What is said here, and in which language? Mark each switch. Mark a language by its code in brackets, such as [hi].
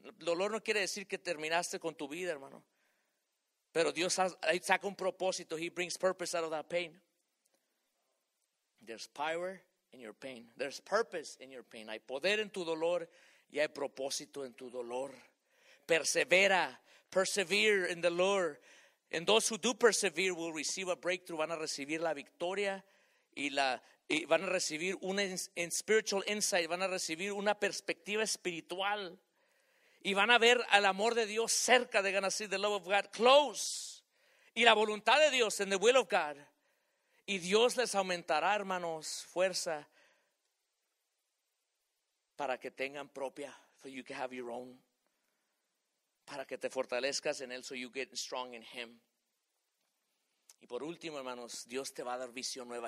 [es] Dolor no quiere decir que terminaste con tu vida, hermano. Pero Dios saca un propósito. [en] He brings purpose out of that pain. There's power in your pain. There's purpose in your pain. [es] Hay poder en tu dolor y hay propósito en tu dolor. Persevera, [en] persevere in the Lord. And those who do persevere will receive a breakthrough. [es] Van a recibir la victoria y van a recibir un [en] spiritual insight. [es] Van a recibir una perspectiva espiritual. Y van a ver al amor de Dios cerca. [en] They're going to see the love of God close. [es] Y la voluntad de Dios [en] in the will of God. [es] Y Dios les aumentará, hermanos, fuerza para que tengan propia. [en] So you can have your own. [es] Para que te fortalezcas en él, [en] so you get strong in him. [es] Y por último, hermanos, Dios te va a dar visión nueva.